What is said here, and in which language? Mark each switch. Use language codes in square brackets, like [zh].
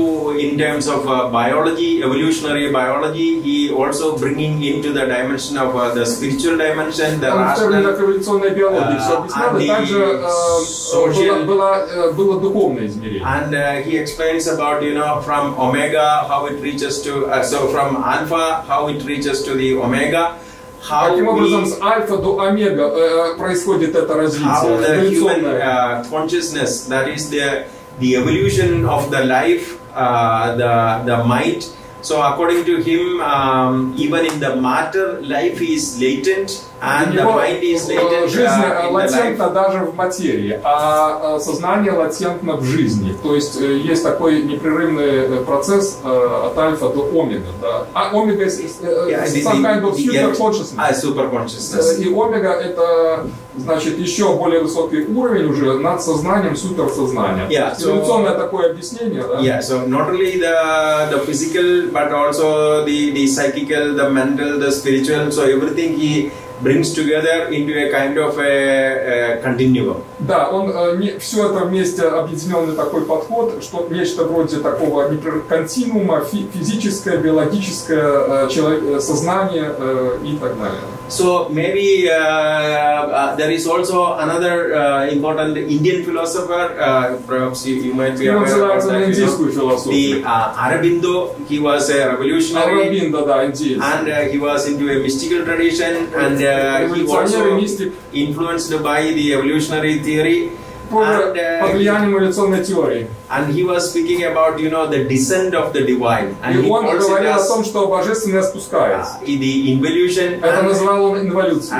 [en] In terms of biology, evolutionary biology, he also bringing into the dimension of the spiritual dimension, the rational, and he explains about, you know, from omega how it reaches to so from alpha how it reaches to the omega. How [ru] каким образом с альфа до омега происходит это развитие? [en] How the human consciousness, that is the evolution of the life, the mind. So according to him, even in the matter, life is latent, and the mind is latent. [ru] Жизнь латентна даже в материи, а сознание латентно в жизни. То есть есть такой непрерывный процесс от альфа до омега. Да? А [en] омега some kind of super consciousness. [ru] И омега это значит еще более высокий уровень уже над сознанием, суперсознанием. [en] Yeah, [ru] эволюционное такое объяснение, да? [en] Yeah, so not only the physical, but also the psychical, the mental, the spiritual, so everything he brings together into a kind of a continuum. [ru] Да, он все это вместе объединенный такой подход, что нечто вроде такого континуума, физическое, биологическое, сознание и так далее. [en] So maybe there is also another important Indian philosopher, perhaps you might be aware of that, Aurobindo. He was a revolutionary, and he was into a mystical tradition, and he was also influenced by the evolutionary theory. [ru] Под влиянием эволюционной теории. [en] And he was speaking about, you know, the descent of the divine. And [ru] и он говорил о том, что божественное спускается. И [en] the involution. [ru] Это назвал он инволюцией.